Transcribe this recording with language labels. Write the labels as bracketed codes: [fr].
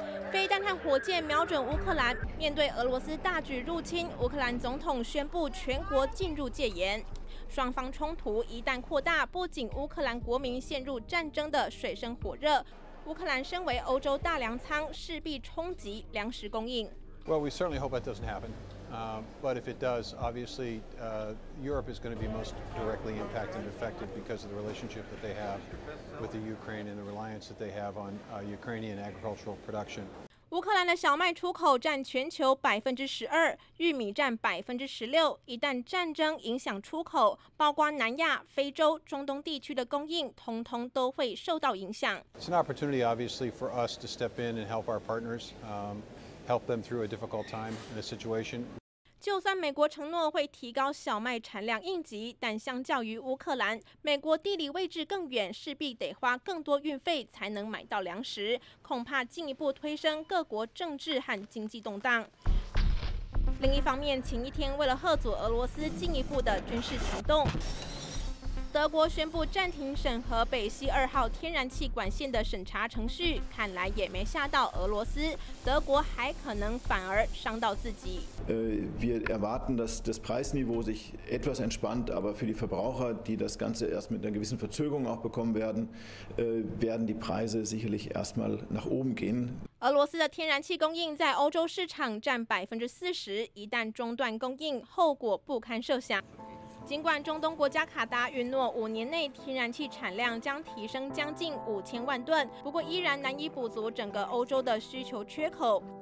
[zh] 飞弹和火箭瞄准乌克兰，面对俄罗斯大举入侵，乌克兰总统宣布全国进入戒严。双方冲突一旦扩大，不仅乌克兰国民陷入战争的水深火热，乌克兰身为欧洲大粮仓，势必冲击粮食供应。 [en] Well, we certainly hope that doesn't happen. But if it does, obviously, Europe is going to be most directly impacted and affected because of the relationship that they have with the Ukraine and the reliance that they have on Ukrainian agricultural production. [zh] 乌克兰的小麦出口占全球12%，玉米占16%。一旦战争影响出口，包括南亚、非洲、中东地区的供应，通通都会受到影响。 [en] It's an opportunity, obviously, for us to step in and help our partners, help them through a difficult time and a situation. [zh] 就算美国承诺会提高小麦产量应急，但相较于乌克兰，美国地理位置更远，势必得花更多运费才能买到粮食，恐怕进一步推升各国政治和经济动荡。另一方面，前一天为了吓阻俄罗斯进一步的军事行动，德国宣布暂停审核北溪二号天然气管线的审查程序，看来也没吓到俄罗斯，德国还可能反而伤到自己。 [de] Wir erwarten, dass das Preisniveau sich etwas entspannt, aber für die Verbraucher, die das Ganze erst mit einer gewissen Verzögerung auch bekommen werden, werden die Preise sicherlich erstmal nach oben gehen. [zh] 俄罗斯的天然气供应在欧洲市场占40%，一旦中断供应，后果不堪设想。尽管中东国家卡达允诺五年内天然气产量将提升将近5000万吨，不过依然难以补足整个欧洲的需求缺口。